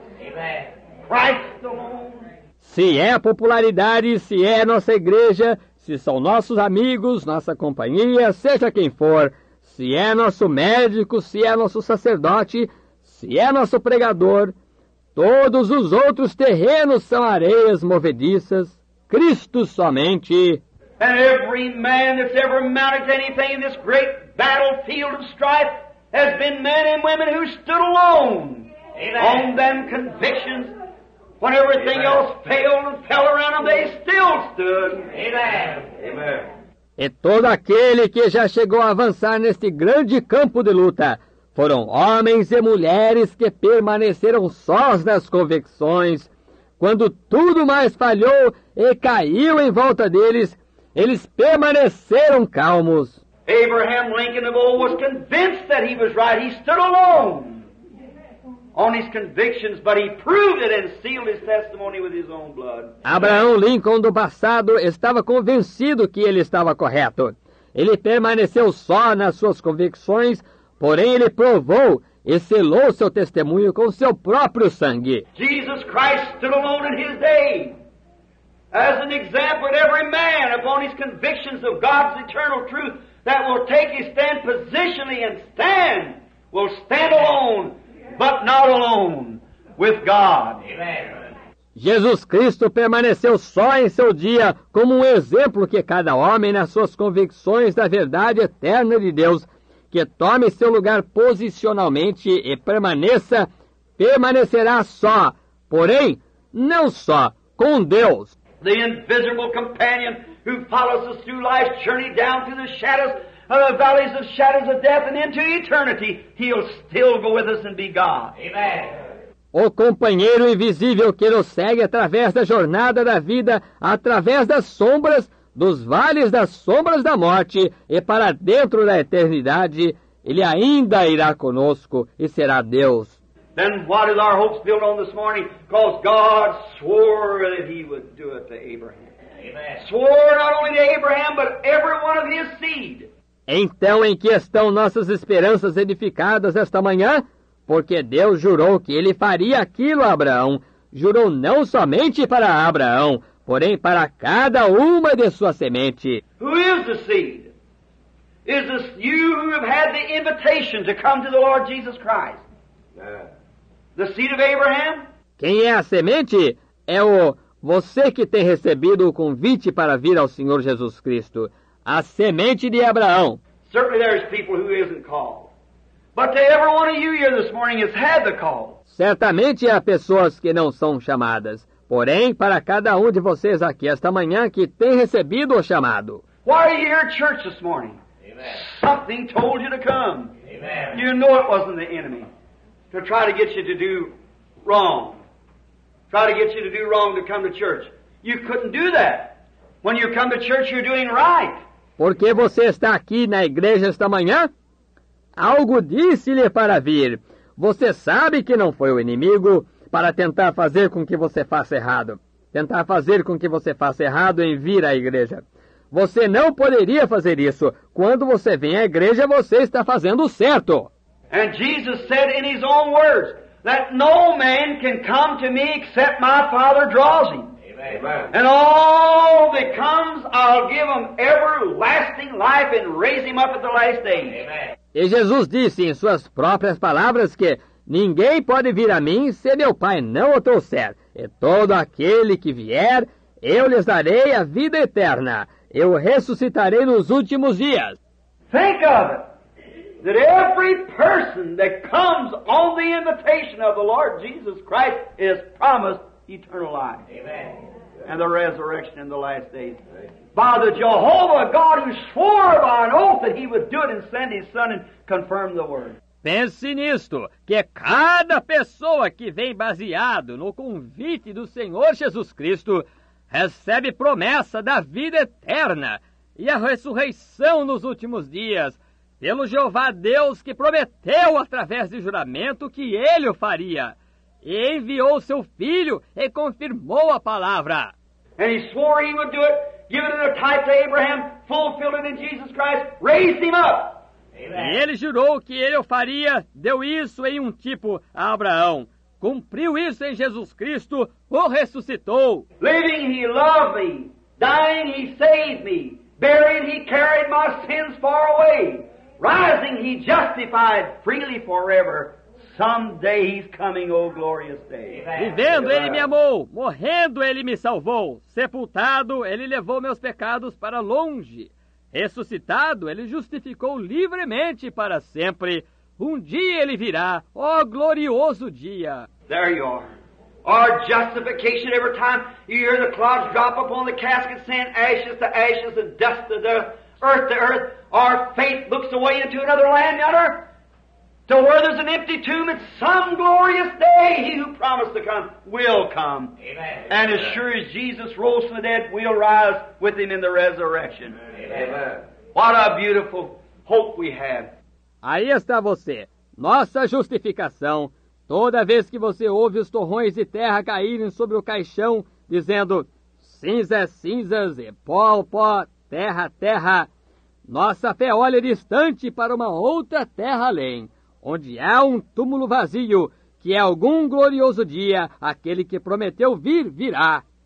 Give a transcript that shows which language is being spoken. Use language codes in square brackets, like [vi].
[en] Amen. Christ alone. [pt] Se é popularidade, se é nossa igreja, se são nossos amigos, nossa companhia, seja quem for, se é nosso médico, se é nosso sacerdote, se é nosso pregador, todos os outros terrenos são areias movediças, Cristo somente. [en] And every man that's ever mounted to anything in this great battlefield of strife has been men and women who stood alone. Amen. On them convictions. When everything Amen. Else failed and fell around them, they still stood. Amen. [pt] E todo aquele que já chegou a avançar neste grande campo de luta Foram homens e mulheres que permaneceram sós nas convicções. Quando tudo mais falhou e caiu em volta deles, eles permaneceram calmos. [en] Abraham Lincoln of old was convinced that he was right. He stood alone on his convictions, but he proved it and sealed his testimony with his own blood. [pt] Abraão Lincoln do passado estava convencido que ele estava correto. Ele permaneceu só nas suas convicções, porém ele provou e selou seu testemunho com seu próprio sangue. [en] Jesus Christ stood alone in his day as an example to every man upon his convictions of God's eternal truth that will take his stand positionally and stand, will stand alone, but not alone, with God. Amen. [pt] Jesus Cristo permaneceu só em seu dia como um exemplo que cada homem nas suas convicções da verdade eterna de Deus que tome seu lugar posicionalmente e permanecerá só, porém, não só, com Deus. [en] The invisible companion who follows us through life's journey down through the shadows of the valleys of shadows of death and into eternity, he'll still go with us and be God. Amen. [pt] O companheiro invisível que nos segue através da jornada da vida, através das sombras, dos vales das sombras da morte e para dentro da eternidade, ele ainda irá conosco e será Deus. [en] Then what is our hopes built on this morning? Because God swore that he would do it to Abraham. Amen. Swore not only to Abraham, but every one of his seed. [pt] Então, em que estão nossas esperanças edificadas esta manhã? Porque Deus jurou que ele faria aquilo a Abraão. Jurou não somente para Abraão, porém para cada uma de sua semente. [en] Who is the seed? Is this you who have had the invitation to come to the Lord Jesus Christ? The seed of Abraham? [pt] Quem é a semente? É o você que tem recebido o convite para vir ao Senhor Jesus Cristo. A semente de Abraão. [en] Certainly there is people who isn't called. But to every one of you here this morning has had the call. [pt] Certamente há pessoas que não são chamadas. Porém, para cada um de vocês aqui esta manhã que tem recebido o chamado. [en] Why are you here at church this morning? Amen. Something told you to come. Amen. You know it wasn't the enemy to try to get you to do wrong. Try to get you to do wrong to come to church. You couldn't do that. When you come to church, you're doing right. [pt] Por que você está aqui na igreja esta manhã? Algo disse-lhe para vir. Você sabe que não foi o inimigo para tentar fazer com que você faça errado. Tentar fazer com que você faça errado em vir à igreja. Você não poderia fazer isso. Quando você vem à igreja, você está fazendo o certo. [en] And Jesus said in his own words that no man can come to me except my Father draws him. Amen. And all that comes, I'll give him everlasting life and raise him up at the last day. Amen. [pt] E Jesus disse em suas próprias palavras que ninguém pode vir a mim se meu Pai não o trouxer. E todo aquele que vier, eu lhes darei a vida eterna. Eu ressuscitarei nos últimos dias. [en] Think of it. That every person that comes on the invitation of the Lord Jesus Christ is promised eternal life. Amen. And the resurrection in the last days. By the Jehovah God who swore by an oath that he would do it and send his son and confirm the word. [pt] Pense nisto, que cada pessoa que vem baseado no convite do Senhor Jesus Cristo recebe promessa da vida eterna e a ressurreição nos últimos dias pelo Jeová Deus que prometeu através de juramento que ele o faria e enviou seu filho e confirmou a palavra. [en] And he swore he would do it. Given it a type to Abraham, fulfilled it in Jesus Christ, raised him up. Amen. [pt] E ele jurou que ele o faria, deu isso em um tipo a Abraão. Cumpriu isso em Jesus Cristo, o ressuscitou. [en] Living, he loved me. Dying, he saved me. Buried, he carried my sins far away. Rising, he justified freely forever. Someday he's coming, oh glorious day. Amen. [pt] Vivendo, ele me amou. Morrendo, ele me salvou. Sepultado, ele levou meus pecados para longe. Ressuscitado, ele justificou livremente para sempre. Um dia ele virá, oh glorioso dia. [en] There you are. Our justification every time you hear the clouds drop upon the casket saying ashes to ashes and dust to dust, earth to earth. Our faith looks away into another land yonder. to where there's an empty tomb, at some glorious day, he who promised to come will come. Amen. And as sure as Jesus rose from the dead, we'll rise with him in the resurrection. Amen. What a beautiful hope we have. [pt] Aí está você, nossa justificação. Toda vez que você ouve os torrões de terra caírem sobre o caixão, dizendo, cinzas, cinzas, e pó, pó, terra, terra, nossa fé olha distante para uma outra terra além, onde há um túmulo vazio, que é algum glorioso dia, aquele que prometeu vir, virá.